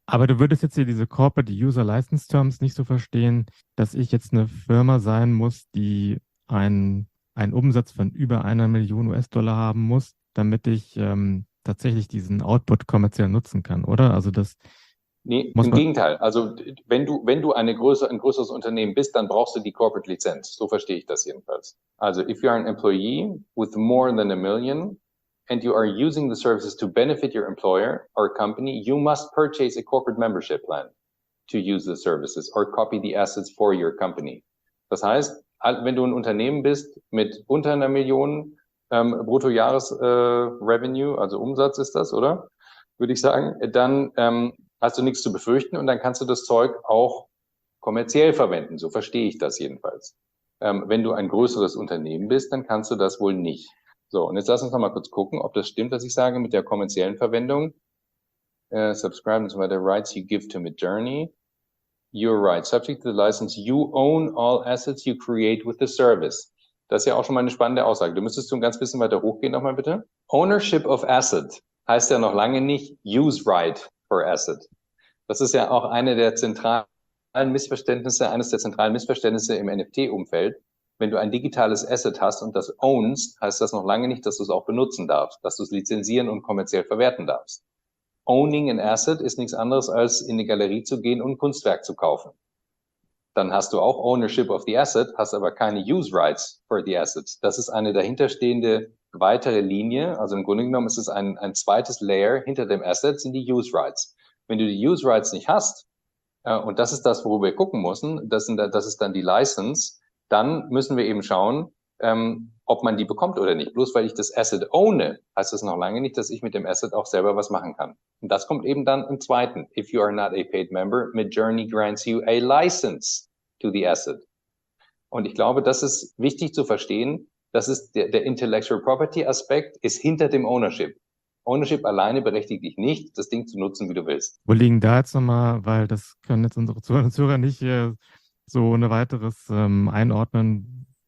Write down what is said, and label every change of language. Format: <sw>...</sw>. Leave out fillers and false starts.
<de>Aber du würdest jetzt hier diese Corporate User License Terms nicht so verstehen, dass ich jetzt eine Firma sein muss, die einen Umsatz von über 1 Million US-Dollar haben muss, damit ich tatsächlich diesen Output kommerziell nutzen kann, oder? Also das. Nee, im Gegenteil. Also wenn du ein größeres Unternehmen bist, dann brauchst du die Corporate Lizenz. So verstehe ich das jedenfalls.</de> <en>Also if you are an employee with more than 1 million, and you are using the services to benefit your employer or company, you must purchase a corporate membership plan to use the services or copy the assets for your company.</en> <de>Das heißt, wenn du ein Unternehmen bist mit unter 1 Million Bruttojahresrevenue, also Umsatz ist das, oder? Würde ich sagen, dann hast du nichts zu befürchten und dann kannst du das Zeug auch kommerziell verwenden. So verstehe ich das jedenfalls. Wenn du ein größeres Unternehmen bist, dann kannst du das wohl nicht. So, und jetzt lass uns nochmal kurz gucken, ob das stimmt, was ich sage mit der kommerziellen Verwendung.</de> <en>Subscribe to the rights you give to Midjourney. You're right. Subject to the license, you own all assets you create with the service.</en> <de>Das ist ja auch schon mal eine spannende Aussage. Du müsstest ein ganz bisschen weiter hochgehen nochmal bitte.</de> <en>Ownership of asset</en> <de>heißt ja noch lange nicht</de> <en>use right for asset.</en> <de>Das ist ja auch eines der zentralen Missverständnisse im NFT-Umfeld. Wenn du ein digitales Asset hast und das ownst, heißt das noch lange nicht, dass du es auch benutzen darfst, dass du es lizenzieren und kommerziell verwerten darfst.</de> <en>Owning an Asset</en> <de>ist nichts anderes, als in eine Galerie zu gehen und ein Kunstwerk zu kaufen. Dann hast du auch</de> <en>Ownership of the Asset,</en> <de>hast aber keine</de> <en>Use Rights for the Asset.</en> <de>Das ist eine dahinterstehende weitere Linie. Also im Grunde genommen ist es ein zweites Layer hinter dem Asset, sind die Use Rights. Wenn du die Use Rights nicht hast, und das ist das, worüber wir gucken müssen, das ist dann die License, dann müssen wir eben schauen, ob man die bekommt oder nicht. Bloß weil ich das Asset owne, heißt das noch lange nicht, dass ich mit dem Asset auch selber was machen kann. Und das kommt eben dann im zweiten.</de> <en>If you are not a paid member, Midjourney grants you a license to the asset.</en> <de>Und ich glaube, das ist wichtig zu verstehen. Das ist der Intellectual Property Aspekt ist hinter dem Ownership. Ownership alleine berechtigt dich nicht, das Ding zu nutzen, wie du willst. Wo liegen da jetzt nochmal, weil das können jetzt unsere Zuhörer nicht so ohne weiteres einordnen.</de>